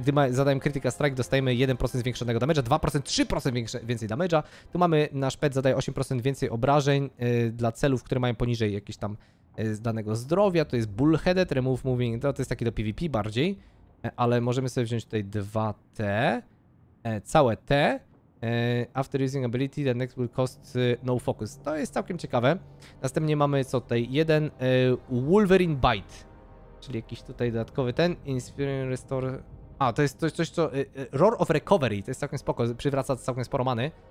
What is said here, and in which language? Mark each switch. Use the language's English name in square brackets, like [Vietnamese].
[Polish] Zadają Critical Strike, dostajemy 1% zwiększonego damage'a, 2%, 3% więcej damage'a. Tu mamy nasz pet, zadaje 8% więcej obrażeń dla celów, które mają poniżej jakieś tam z danego zdrowia. To jest Bullheaded, Remove Moving, to jest taki do PvP bardziej, ale możemy sobie wziąć tutaj 2T, całe T. [English] After using ability, the next will cost no focus. [Polish] To jest całkiem ciekawe. Następnie mamy co tutaj? Jeden Wolverine Bite. Czyli jakiś tutaj dodatkowy ten, Inspiring Restore... A, to jest coś co... Roar of Recovery, to jest całkiem spoko, przywraca całkiem sporo many.